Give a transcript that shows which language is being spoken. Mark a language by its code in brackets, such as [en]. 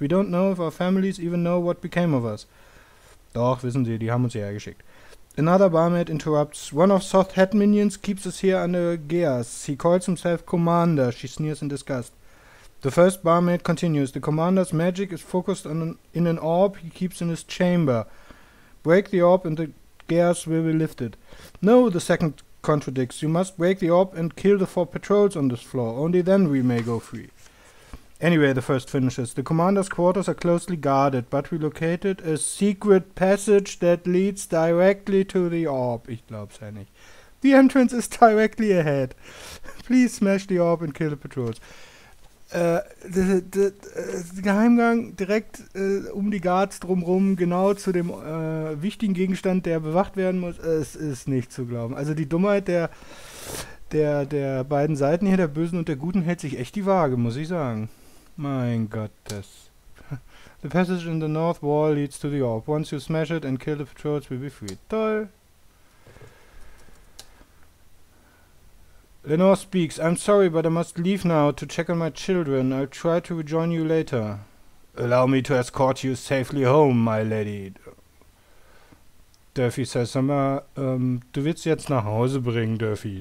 [en] We don't know if our families even know what became of us. [de] Doch, wissen Sie, die haben uns hierher geschickt. [en] Another barmaid interrupts. One of Soth's head minions keeps us here under Geas. He calls himself Commander. She sneers in disgust. The first barmaid continues. The Commander's magic is focused in an orb he keeps in his chamber. Break the orb and the Geas will be lifted. No, the second contradicts. You must break the orb and kill the four patrols on this floor. Only then we may go free. Anyway, the first finishes. The commander's quarters are closely guarded, but we located a secret passage that leads directly to the orb. [de] Ich glaub's ja nicht. [en] The entrance is directly ahead. Please smash the orb and kill the patrols. [de] Geheimgang direkt um die Guards drumrum, genau zu dem wichtigen Gegenstand, der bewacht werden muss. Es ist nicht zu glauben. Also die Dummheit der beiden Seiten hier, der Bösen und der Guten, hält sich echt die Waage, muss ich sagen. Mein Gott, das. [en] The passage in the north wall leads to the orb. Once you smash it and kill the patrols, we'll be free. [de] Toll. [en] Lenore speaks. I'm sorry, but I must leave now to check on my children. I'll try to rejoin you later. Allow me to escort you safely home, my lady. Durfee says, [de] sag mal, du willst sie jetzt nach Hause bringen, Durfee.